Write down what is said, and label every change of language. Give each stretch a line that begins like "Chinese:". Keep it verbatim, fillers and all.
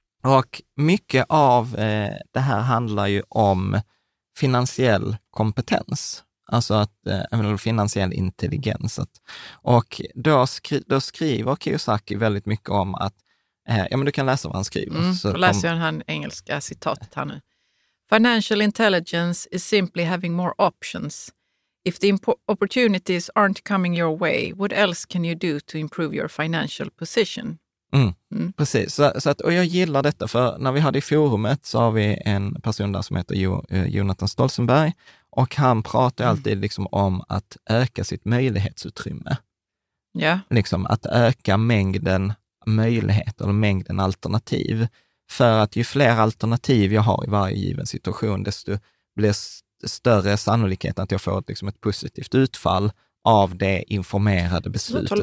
Swedish: Och mycket av eh, det här handlar ju om finansiell kompetens. Alltså att, eh, finansiell intelligens. Att, och då, skri, då skriver Kiyosaki väldigt mycket om att Eh, ja, men du kan läsa vad han skriver. Mm, så läser jag han engelska citatet här nu.
English: Financial intelligence is simply having more options. If the impo- opportunities aren't coming your way, what else can you do to improve your financial position? Mm. Mm.
Swedish: Precis, så, så att, och jag gillar detta, för när vi hade i forumet så har vi en person där som heter jo, Jonathan Stolzenberg, och han pratar alltid mm. liksom om att öka sitt möjlighetsutrymme.
English: Yeah.
Swedish: Liksom att öka mängden möjligheter eller mängden alternativ, för att ju fler alternativ jag har i varje given situation, desto blir större sannolikhet att jag får ett, liksom ett positivt utfall av det informerade beslutet.